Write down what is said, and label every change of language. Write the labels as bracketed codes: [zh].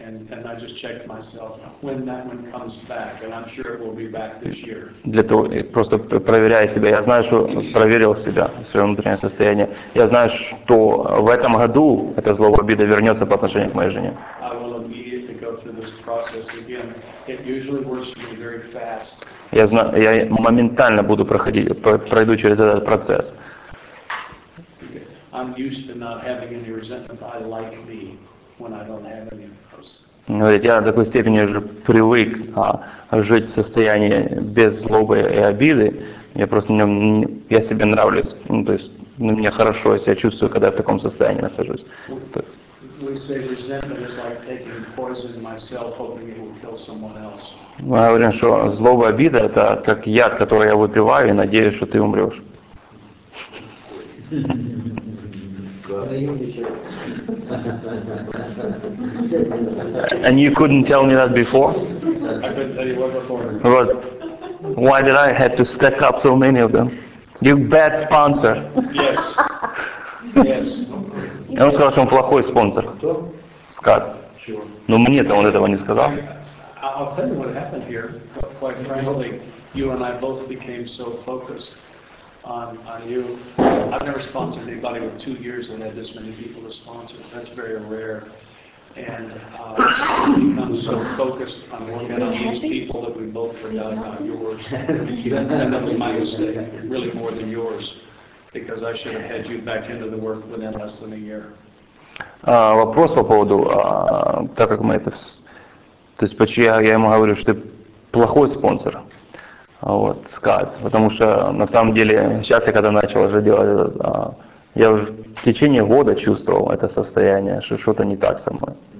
[en] And I just checked myself when that one comes back, and I'm sure it will be back this year. [ru] Для того, просто проверяя себя, я знаю, что проверил себя в своем внутреннем состоянии. Я знаю, что в этом году эта злоба обида вернется по отношению к моей жене. [en] I will immediately go through this process again. It usually works for me very fast. [ru] Я моментально буду пройду через этот процесс. [en] I'm used to not having any resentments. I like me when I don't have any. [ru] Говорит, я до такой степени уже привык жить в состоянии без злобы и обиды. Я просто я себе нравлюсь. Ну, то есть мне хорошо, я себя чувствую, когда я в таком состоянии нахожусь. Мы говорим, что злоба и обида — это как яд, который я выпиваю и надеюсь, что ты умрешь. [en] And you couldn't tell me that before? I couldn't tell you what before. But why did I have to stack up so many of them? You bad sponsor. Yes. [ru] Я вам сказал, что он плохой спонсор. Кто? Скат. [en] Sure. [ru] Но мне-то он этого не сказал. [en] I'll tell you what happened here, quite frankly. You and I both became so focused on you. I've never sponsored anybody with 2 years and had this many people to sponsor. That's very rare. And become so focused on working on these people that we both forgot about yours. And that was my mistake, really more than yours, because I should have had you back into the work within less than a year. [ru] Вопрос по поводу, так как мы это, то есть почему я ему говорю, что ты плохой спонсор, вот, Скат, потому что на самом деле сейчас я когда начал уже делать, я в течение года чувствовал это состояние, что что-то не так со мной.